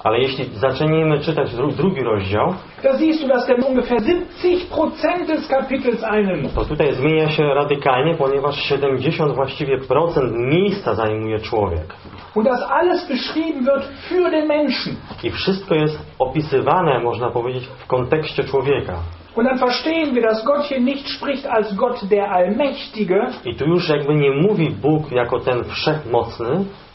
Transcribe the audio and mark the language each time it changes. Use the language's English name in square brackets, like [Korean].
[Polish] ale jeśli zaczniemy czytać drugi rozdział, [German] da siehst du, dass der ungefähr 70% des Kapitels einnimmt. [Polish] To tutaj zmienia się radykalnie, ponieważ 70 właściwie procent miejsca zajmuje człowiek. [German] Und das alles beschrieben wird für den Menschen. [Polish] I wszystko jest opisywane, można powiedzieć, w kontekście człowieka. [German] Und dann verstehen wir, dass Gott hier nicht spricht als Gott der Allmächtige. [Polish] I tu już jakby nie mówi Bóg jako ten wszechmocny.